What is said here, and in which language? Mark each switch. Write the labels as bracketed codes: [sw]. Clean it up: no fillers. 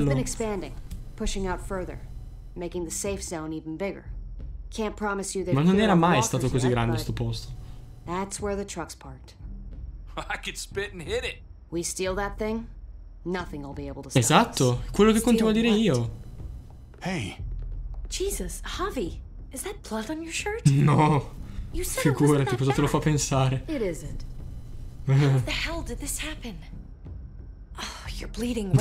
[en] We've been expanding, pushing out further, making the safe zone even bigger. Can't promise you that. [it] Ma non era mai stato così grande sto posto. [en] That's where the truck's parked. I could spit and hit it. We steal that thing, nothing will be able to [it] stop. Esatto, quello che continuo a dire io. [en] Hey. Jesus, Javi, is that blood on your shirt? No. You said [it] figurati, cosa te lo fa pensare? [en] It isn't. How the hell did this happen? Oh, you're bleeding right.